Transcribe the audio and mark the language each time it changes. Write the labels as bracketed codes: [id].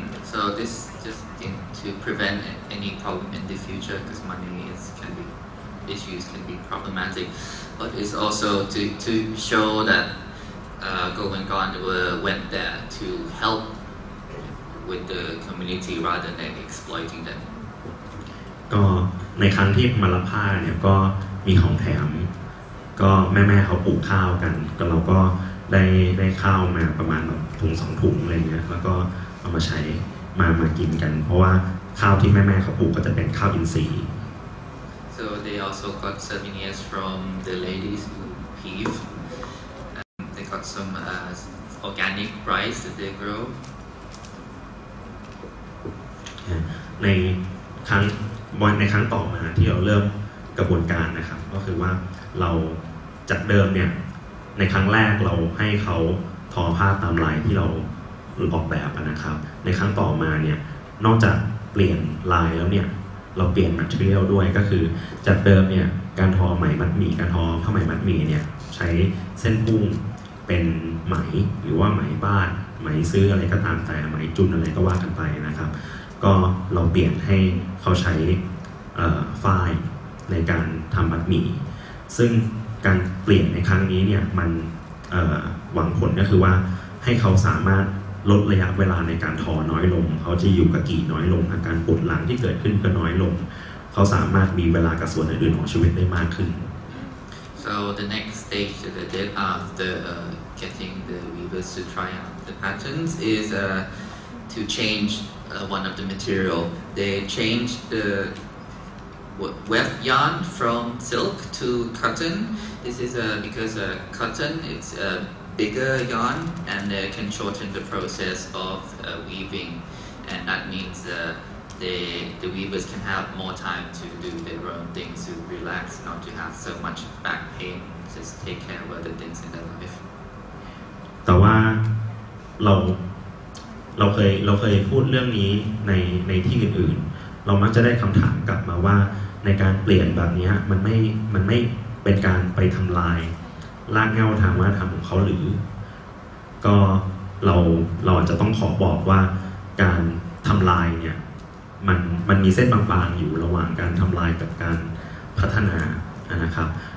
[en] So this just to prevent any problem in the future because money is can be issues can be problematic but it's also to show thatGoWentGone went there to help with the community rather than exploiting them. [th] ก็ในครั้งที่มารับผ้าเนี่ยก็มีของแถมก็แม่ๆเขาปลูกข้าวกันก็เราก็ได้ข้าวมาประมาณถุง2ถุงอะไรเงี้ยแล้วก็เอามาใช้มากินกันเพราะว่าข้าวที่แม่ๆเขาปลูกก็จะเป็นข้าวอินทรีย์ [en] So they also got souvenirs from the ladies who peeveGot some organic rice that they grow. [th] ในครั้งต่อมาที่เราเริ่มกระบวนการนะครับก็คือว่าเราจากเดิมเนี่ยในครั้งแรกเราให้เขาทอผ้าตามลายที่เรา ออกแบบนะครับในครั้งต่อมาเนี่ยนอกจากเปลี่ยนลายแล้วเนี่ยเราเปลี่ยนmaterialด้วยก็คือจากเดิมเนี่ยการทอไหมมัดหมี่การทอผ้าไหมมัดหมี่เนี่ยใช้เส้นพุ่งเป็นไหมหรือว่าไหมบ้านไหมซื้ออะไรก็ตามแต่ไหมจุนอะไรก็ว่ากันไปนะครับก็เราเปลี่ยนให้เขาใช้ ฝ้ายในการทำบัดหมี่ซึ่งการเปลี่ยนในครั้งนี้เนี่ยมันหวังผลก็คือว่าให้เขาสามารถลดระยะเวลาในการทอน้อยลงเขาจะอยู่กับกี่น้อยลงอาการปวดหลังที่เกิดขึ้นก็น้อยลงเขาสามารถมีเวลากับส่วนอื่นๆของชีวิตได้มากขึ้น [en] So the next stage that they did aftergetting the weavers to try out the patterns is to change one of the material. They changed the weft yarn from silk to cotton. This is because cotton it's a bigger yarn and they can shorten the process of weaving and that means the weavers can have more time to do their own things, to relax, not to have so much back pain, just take care of other things in their life [th] แต่ว่าเราเคยพูดเรื่องนี้ในที่อื่นๆเรามักจะได้คำถามกลับมาว่าในการเปลี่ยนแบบนี้มันไม่เป็นการไปทำลายรากเหง้าทางวัฒนธรรมของเขาหรือก็เราอาจจะต้องขอบอกว่าการทำลายเนี่ยมันมีเส้นบางๆอยู่ระหว่างการทำลายกับการพัฒนานะครับ